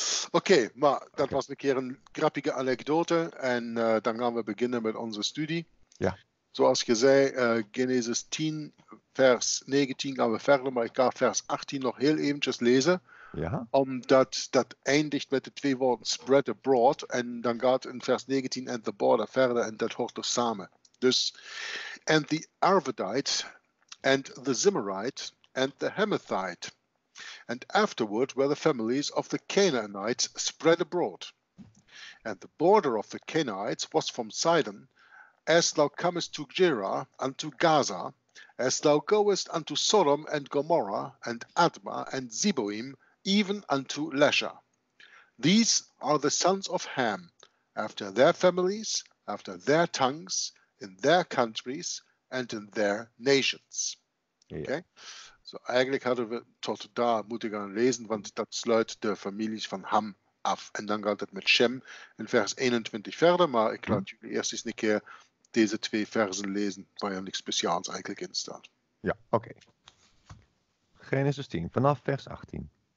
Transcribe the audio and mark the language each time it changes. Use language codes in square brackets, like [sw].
[nl] Oké, okay, maar dat okay. Was een keer een grappige anekdote. En dan gaan we beginnen met onze studie. Ja. Zoals je zei, Genesis 10, vers 19 gaan we verder. Maar ik ga vers 18 nog heel eventjes lezen. Ja. Omdat dat eindigt met de twee woorden spread abroad. En dan gaat in vers 19 and the border verder. En dat hoort er samen. [en] Dus, and the Arvadite and the Zimmerite and the Hamathite. And afterward were the families of the Canaanites spread abroad. And the border of the Canaanites was from Sidon, as thou comest to Gerar, unto Gaza, as thou goest unto Sodom and Gomorrah, and Admah and Zeboim, even unto Lesha. These are the sons of Ham, after their families, after their tongues, in their countries, and in their nations. Yeah. Okay? [nl] So, eigenlijk hadden we tot daar moeten gaan lezen, want dat sluit de families van Ham af. En dan gaat het met Shem in vers 21 verder, maar ik laat jullie eerst eens een keer deze twee versen lezen, waar er niks speciaals eigenlijk in staat. Ja, oké. Okay. Genesis 10, vanaf vers 18.